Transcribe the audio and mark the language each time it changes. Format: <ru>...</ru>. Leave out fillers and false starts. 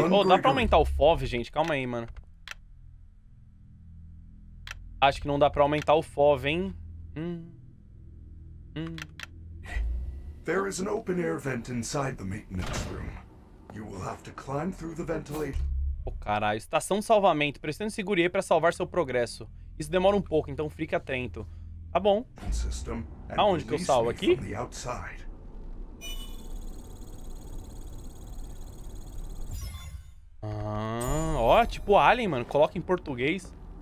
<pt>Oh, dá pra aumentar o FOV, gente? Calma aí, mano. Acho que não dá pra aumentar o FOV, hein?</pt> <en>There is an open air vent inside the maintenance room. You will have to climb through the ventilator.</en> <pt>Ô, caralho, estação de salvamento. Precisando segurar pra salvar seu progresso. Isso demora um pouco, então fique atento. Tá bom. Aonde que eu salvo? Aqui? Ah, ó, tipo Alien, mano. Coloca em português.</pt>